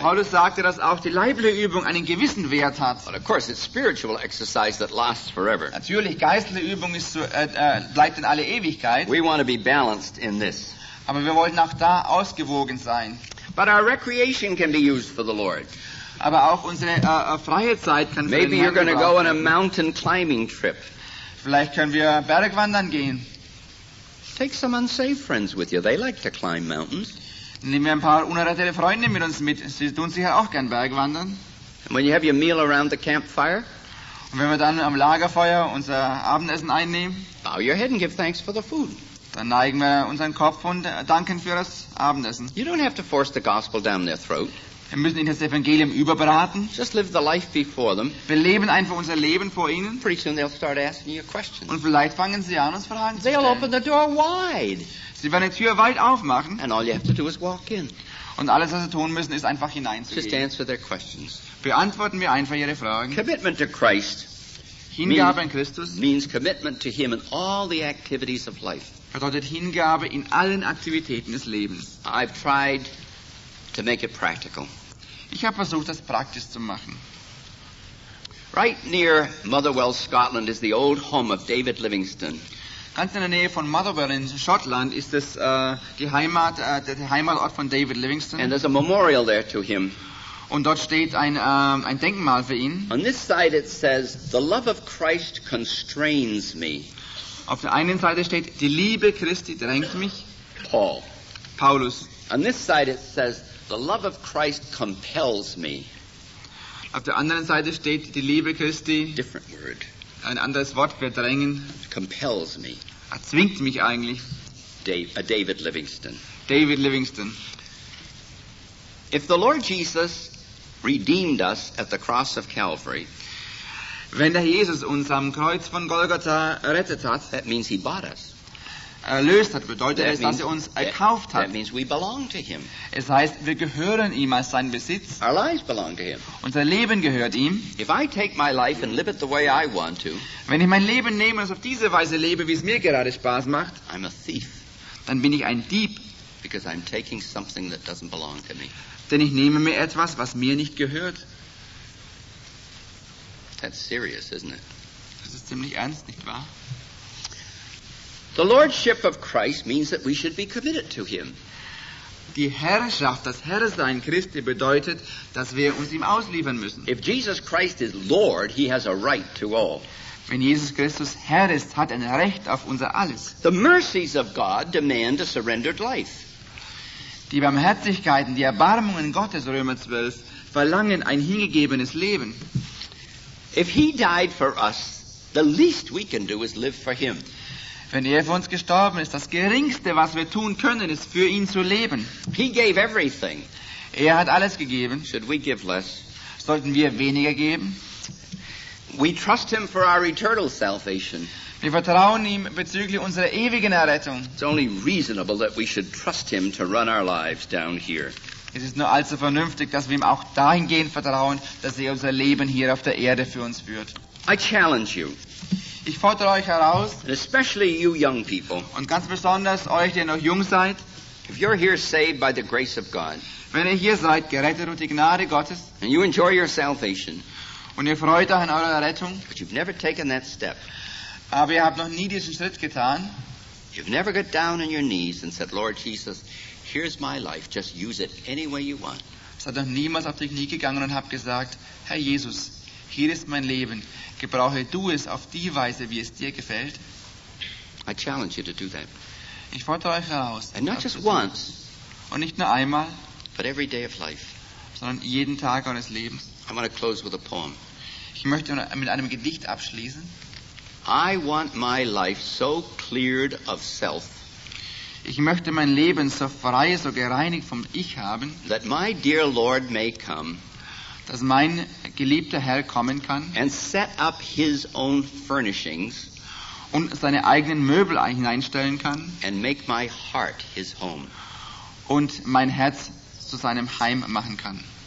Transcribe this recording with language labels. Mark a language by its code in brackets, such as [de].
[de] Paulus sagte, dass auch die leibliche Übung einen gewissen Wert hat. [en] But of course, it's spiritual exercise that lasts forever. [de] Natürlich, geistliche Übung ist so, bleibt in alle Ewigkeit. [en] We want to be balanced in this. [de] Aber wir wollten auch da ausgewogen sein. [en] But our recreation can be used for the Lord. [de] Aber auch unsere freie Zeit kann für [en] Maybe [de] den Herrn [en] you're going to go on a mountain climbing trip. [de] Vielleicht können wir Bergwandern gehen. [en] Take some unsafe friends with you. They like to climb mountains. [de] Nehmen wir ein paar unerrettete Freunde mit uns mit. Sie tun sicher auch gern Bergwandern. [en] And when you have your meal around the campfire, [de] und wenn wir dann am Lagerfeuer unser Abendessen einnehmen, [en] bow your head and give thanks for the food. [de] Dann neigen wir unseren Kopf und danken für das Abendessen. [en] You don't have to force the gospel down their throat. [de] Wir müssen ihnen das Evangelium überbraten. [en] Just live the life before them. [de] Wir leben einfach unser Leben vor ihnen. [en] Pretty soon they'll start asking you questions. [de] Und vielleicht fangen sie an, uns Fragen [en] they'll [de] zu stellen. [en] Open the door wide. [de] Sie werden die Tür weit aufmachen. [en] And all you have to do is walk in. [de] Und alles, was sie tun müssen, ist einfach hineinzugehen. [en] Just answer their questions. [de] Beantworten wir einfach ihre Fragen. [en] Commitment to Christ. [de] Hingabe an Christus [en] means commitment to him in all the activities of life. [de] Bedeutet Hingabe in allen Aktivitäten des Lebens. [en] I've tried to make it practical. [de] Ich habe versucht, das praktisch zu machen. [en] Right near Motherwell, Scotland, is the old home of David Livingstone. [de] Ganz in der Nähe von Motherwell in Schottland ist das die Heimat, der Heimatort von David Livingstone. [en] And there's a memorial there to him. [de] Und dort steht ein Denkmal für ihn. [en] On this side it says, the love of Christ constrains me. [de] Auf der einen Seite steht, die Liebe Christi drängt mich. [en] Paul. [de] Paulus. [en] On this side it says, the love of Christ compels me. [de] Auf der anderen Seite steht, die Liebe Christi. [en] Different word. [de] Ein anderes Wort für drängen. [en] Compels me. [de] Erzwingt mich eigentlich. [en] David Livingstone. [de] David Livingstone. [en] If the Lord Jesus redeemed us at the cross of Calvary, [de] wenn der Jesus uns am Kreuz von Golgatha rettet hat, [en] that means he bought us. [de] Erlöst hat, bedeutet es, dass er uns erkauft hat. [en] That means we belong to him. [de] Es heißt, wir gehören ihm als sein Besitz. [en] Our lives belong to him. [de] Unser Leben gehört ihm. [en] If I take my life and live it the way I want to, [de] wenn ich mein Leben nehme und auf diese Weise lebe, wie es mir gerade Spaß macht, [en] I'm a thief. [de] Dann bin ich ein Dieb. [en] Because I'm taking something that doesn't belong to me. [de] Denn ich nehme mir etwas, was mir nicht gehört. [en] That's serious, isn't it? [de] Das ist ziemlich ernst, nicht wahr? [en] The lordship of Christ means that we should be committed to him. [de] Die Herrschaft, das Herrsein Christi bedeutet, dass wir uns ihm ausliefern müssen. [en] If Jesus Christ is Lord, he has a right to all. [de] Wenn Jesus Christus Herr ist, hat er ein Recht auf unser alles. [en] The mercies of God demand a surrendered life. [de] Die Barmherzigkeiten, die Erbarmungen Gottes, Römer 12, verlangen ein hingegebenes Leben. [en] If he died for us, the least we can do is live for him. [de] Wenn er für uns gestorben ist, das Geringste, was wir tun können, ist, für ihn zu leben. [en] He gave everything. [de] Er hat alles gegeben. [en] Should we give less? [de] Sollten wir weniger geben? [en] We trust him for our eternal salvation. [de] Wir vertrauen ihm bezüglich unserer ewigen Errettung. [en] It's only reasonable that we should trust him to run our lives down here. [de] Es ist nur allzu vernünftig, dass wir ihm auch dahingehend vertrauen, dass er unser Leben hier auf der Erde für uns führt. [en] I challenge you. [de] Ich fordere euch heraus, [en] and especially you young people, [de] und ganz besonders euch, die noch jung seid, [en] If you're here saved by the grace of God, [de] wenn ihr hier seid, gerettet durch die Gnade Gottes, [en] and you enjoy your salvation, [de] und ihr freut euch an eurer Errettung, [en] but you've never taken that step, [de] aber ihr habt noch nie diesen Schritt getan, [en] you've never got down on your knees and said, Lord Jesus, here's my life, just use it any way you want. [de] Seid noch niemals auf die Knie gegangen und habt gesagt, Herr Jesus, hier ist mein Leben, gebrauche du es auf die Weise, wie es dir gefällt. [en] I challenge you to do that. [de] Ich fordere euch heraus. [en] And not just once, [de] und nicht nur einmal, [en] but every day of life, [de] sondern jeden Tag eures Lebens. [en] I want to close with a poem. [de] Ich möchte mit einem Gedicht abschließen. [en] I want my life so cleared of self. [de] Ich möchte mein Leben so frei, so gereinigt vom Ich haben, [en] that my dear Lord may come, [de] dass mein geliebter Herr kommen kann, [en] and set up his own furnishings, [de] und seine eigenen Möbel hineinstellen kann, [en] and make my heart his home, [de] und mein Herz zu seinem Heim machen kann.